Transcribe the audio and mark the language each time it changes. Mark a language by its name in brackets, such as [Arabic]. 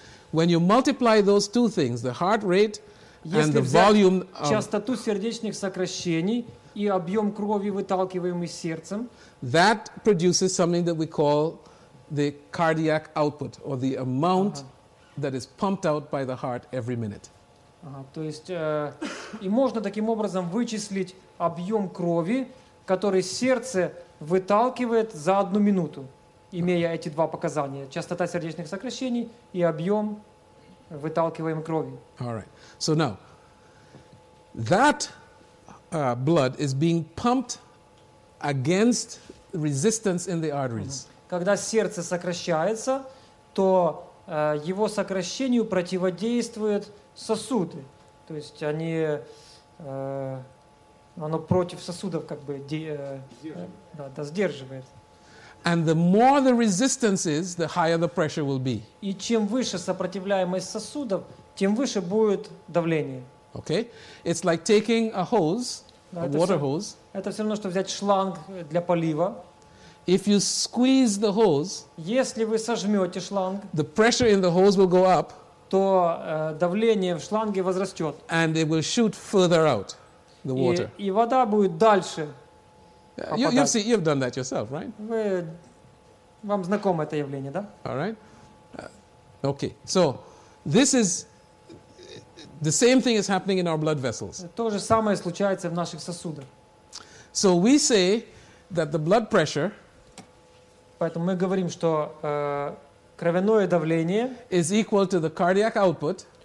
[English] When you multiply those two things, the heart rate and the volume of [Russian] частоту сердечных сокращений и объем крови, выталкиваемый сердцем, [English] that produces something that we call the cardiac output, or the amount that is pumped out by the heart every minute. [Russian] То есть, и можно таким образом вычислить объем крови, который сердце выталкивает за одну минуту, имея эти два показания: частота сердечных сокращений и объем выталкиваемой крови. [English] All right. So now, that blood is being pumped against resistance in the arteries. [Russian] Когда сердце сокращается, то его сокращению противодействуют сосуды. То есть они, оно против сосудов как бы сдерживает. [English] And the more the resistance is, the higher the pressure will be. [Russian] И чем выше сопротивляемость сосудов, тем выше будет давление. [English] Okay, it's like taking a hose, a water hose. [Russian] Это все равно, что взять шланг для полива. [English] If you squeeze the hose, [Russian] если вы сожмете шланг, [English] the pressure in the hose will go up. [Russian] То давление в шланге возрастет. [English] And it will shoot further out the water. [Russian] И вода будет дальше. [English] You've done that yourself, right? [Russian] Вам знакомо это явление, да? [English] All right. Okay. So this is the same thing is happening in our blood vessels. [Russian] То же самое случается в наших сосудах. [English] So we say that the blood pressure. [Russian] Поэтому мы говорим, что кровяное давление [English] is equal to the cardiac output.